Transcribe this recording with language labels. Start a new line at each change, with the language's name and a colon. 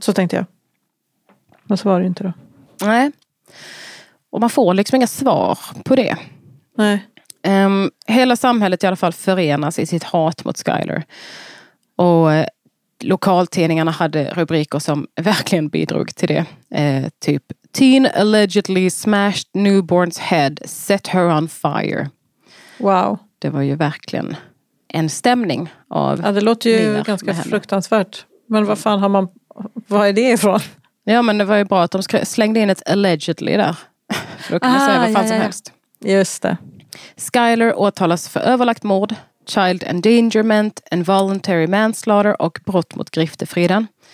Swedish: Så tänkte jag. Men svarar ju inte då. Nej. Och man får liksom inga svar på det. Nej. Hela samhället i alla fall förenas i sitt hat mot Skyler. Och lokaltidningarna hade rubriker som verkligen bidrog till det.
English: Typ, teen allegedly smashed newborn's head, set her on fire. Wow.
Swedish: Det var ju verkligen en stämning av... Ja, det låter ju ganska fruktansvärt. Men vad fan har man... Vad är det ifrån? Ja, men det var ju bra att de slängde in ett allegedly där. För då kan man säga vad fan som helst. Just det. Skyler åtalas för överlagt mord,
English: child endangerment, involuntary manslaughter
Swedish: och brott mot griftefriden.